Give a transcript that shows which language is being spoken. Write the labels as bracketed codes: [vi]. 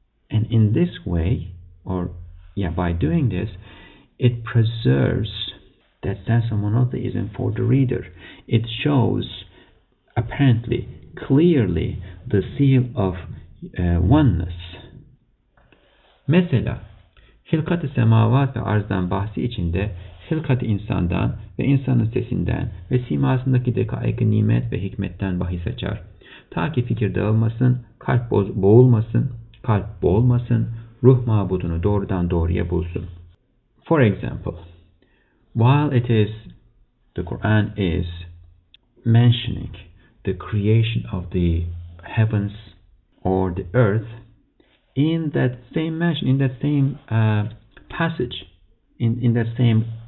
[en] And in this way, by doing this, it preserves that sense of monotheism for the reader. It shows, apparently, clearly, the seal of oneness. [tr] Mesela, hilkat-ı semavat ve arzdan bahsi içinde, hılkat-ı insandan ve insanın sesinden ve simasındaki dekaik-ı nimet ve hikmetten bahis açar. Ta ki fikir dağılmasın, kalp boğulmasın, kalp boğulmasın, ruh mabudunu doğrudan doğruya bulsun. [en] For example, while it is, the Quran is mentioning the creation of the heavens or the earth, in that same mention, in that same passage, in that same